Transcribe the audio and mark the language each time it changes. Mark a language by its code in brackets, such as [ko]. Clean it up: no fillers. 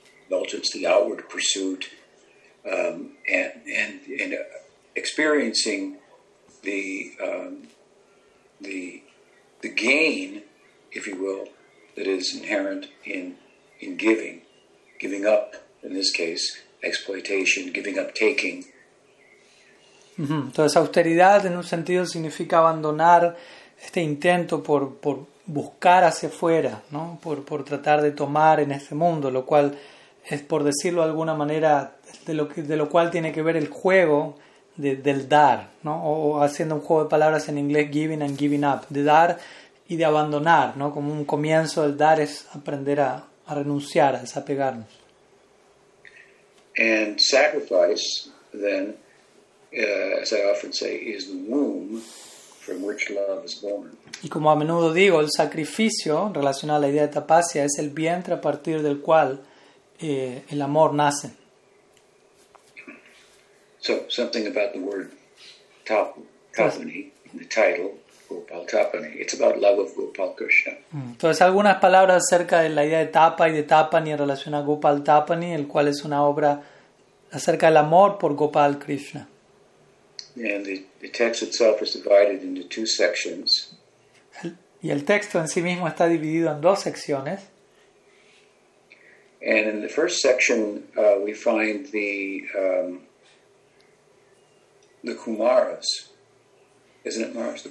[en] indulgence, the outward pursuit, and experiencing the gain, if you will, that is inherent in giving up, in this case, exploitation, giving up taking. [es] Entonces, austeridad en un sentido significa abandonar este intento por buscar hacia afuera, ¿no? Por tratar de tomar en este mundo, lo cual es, por decirlo de alguna manera, de lo cual tiene que ver el juego del dar, ¿no? O haciendo un juego de palabras en inglés, [en] giving and giving up, [es] de dar y de abandonar, ¿no? Como un comienzo del dar es aprender a renunciar, a desapegarnos. [en] And sacrifice, then, as I often say, is the womb from which love is born. [es] Y como a menudo digo, el sacrificio, relacionado a la idea de tapasya, es el vientre a partir del cual el amor nace. [en] So, something about the word tapani, the title, Gopal Tapani. It's about love of Gopal Krishna. [es] Entonces, algunas palabras acerca de la idea de tapa y de tapani en relación a Gopal Tapani, el cual es una obra acerca del amor por Gopal Krishna. [en] And the text itself is divided into two sections. [es] Y el texto en sí mismo está dividido en dos secciones. [en] And in the first section we find the Kumaras, isn't it, Maharaj?